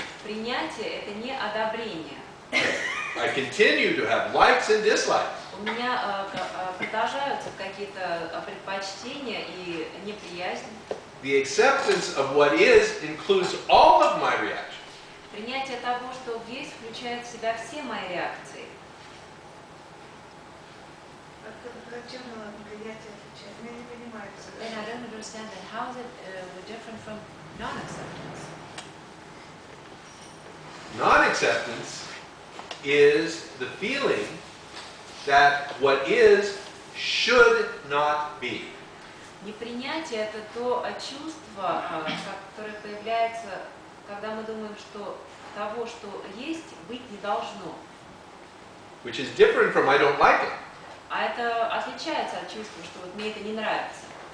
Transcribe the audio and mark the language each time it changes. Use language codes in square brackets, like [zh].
[ru] Принятие — это не одобрение. [en] I continue to have likes and dislikes. [ru] У меня продолжаются какие-то предпочтения и неприязнь. [en] The acceptance of what is includes all of my reactions. [ru] Принятие того, что есть, включает в себя все мои реакции. [en] And I don't understand that. How is it different from non-acceptance? Non-acceptance is the feeling that what is should not be. [ru] Непринятие — это то чувство, которое появляется, когда мы думаем, что того, что есть, быть не должно. [en] Which is different from I don't like it. [ru] А это отличается от чувства, что вот мне это не нравится.